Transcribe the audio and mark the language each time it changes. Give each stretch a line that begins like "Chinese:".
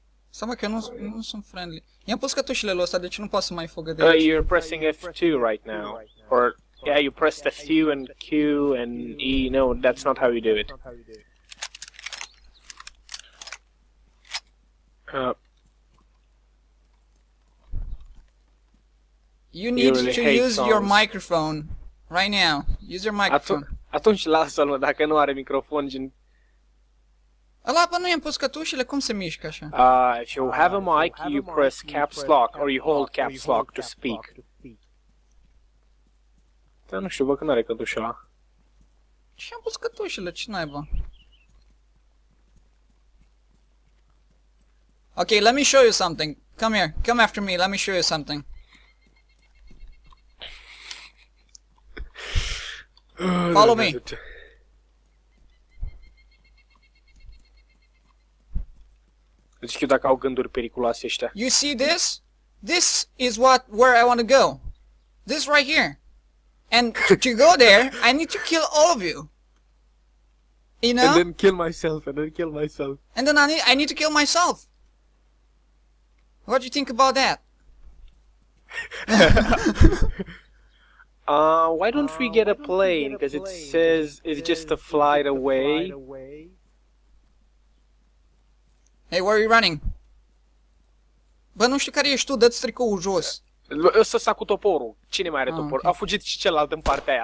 Romanian: Stai mă, că nu sunt friendly. I-am pus cătușilele ăsta, deci nu pot să mai fugă de aici.
English: You're pressing F2 right now. Or, yeah, you pressed F2 and Q and E. No, that's not how you do it. You need to use your microphone right now. Use your microphone.
Romanian: Atunci lasă-l, dacă nu are microfon, gen... Ala, bă, nu i-am pus cătușile, cum se mișcă așa?
English: If you have a mic, you press caps lock, or you hold caps lock to speak.
Romanian: Da, nu știu, bă, că n-are cătușa. Și am pus cătușile, ce naiba?
English: Ok, let me show you something. Come here, come after me, let me show you something. Follow me.
Romanian: Deci știu dacă au gânduri periculoase ăștia.
English: You see this? This is what where I want to go. This right here. And to go there, I need to kill all of you. You know? And then kill myself, and then kill myself. And then I need to kill myself. What do you think about that? why don't we get a plane? Because it says it's just a flight away. Hey, where are you running?
Romanian: Bă, nu știu care ești tu, dă-ți tricoul jos. Să sac cu toporul. Cine mai are topor? Okay. A fugit și celălalt în partea aia.